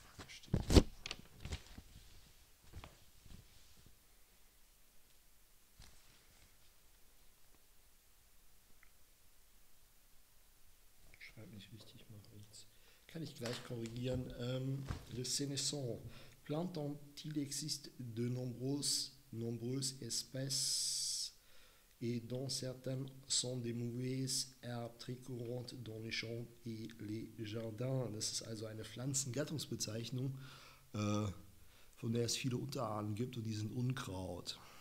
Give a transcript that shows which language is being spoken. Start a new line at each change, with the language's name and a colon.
German: Schreib nicht richtig, mach rechts. Kann ich gleich korrigieren.
French: Le Sénéson. Plante dont il existe de nombreuses espèces. Et dont certaines sont des mauvaises herbes très courantes dans les champs et les jardins.
German: Das ist also eine Pflanzengattungsbezeichnung, von der es viele Unterarten gibt und die sind Unkraut.